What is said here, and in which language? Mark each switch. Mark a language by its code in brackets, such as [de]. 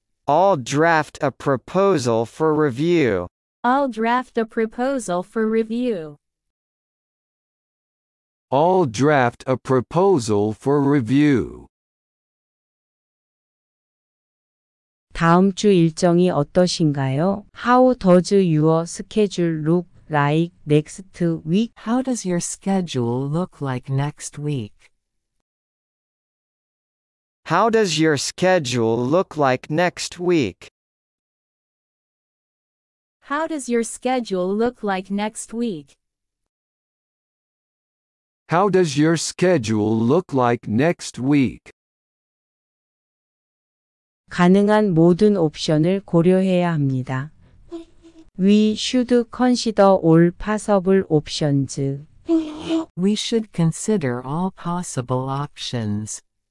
[en] I'll draft a proposal for review. I'll draft a proposal for review. I'll draft a proposal for review. [ko] 다음 주 일정이 어떠신가요? [en] How does your schedule look like next week? How does your schedule look like next week? How does your schedule look like next week? How does your schedule look like next week? How does your schedule look like next week? [ko] 가능한 모든 옵션을 고려해야 합니다. [en] We should consider all possible options. We should consider all possible options.